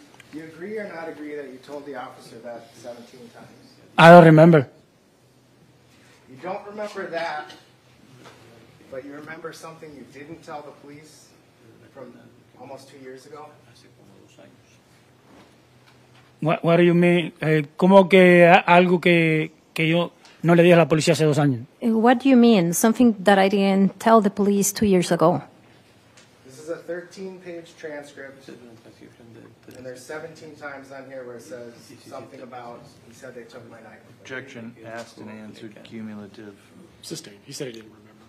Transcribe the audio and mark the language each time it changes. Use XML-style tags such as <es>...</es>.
<en>Do you agree or not agree that you told the officer that 17 times? I don't remember. You don't remember that, but you remember something you didn't tell the police from almost 2 years ago? What do you mean?</en> <es>¿Cómo que algo que yo no le di a la policía hace dos años?</es> <en>What do you mean? Something that I didn't tell the police 2 years ago. This is a 13-page transcript, and there's 17 times on here where it says something about, he said they took my knife. Objection asked and answered, cumulative. Sustained. He said he didn't remember.</en>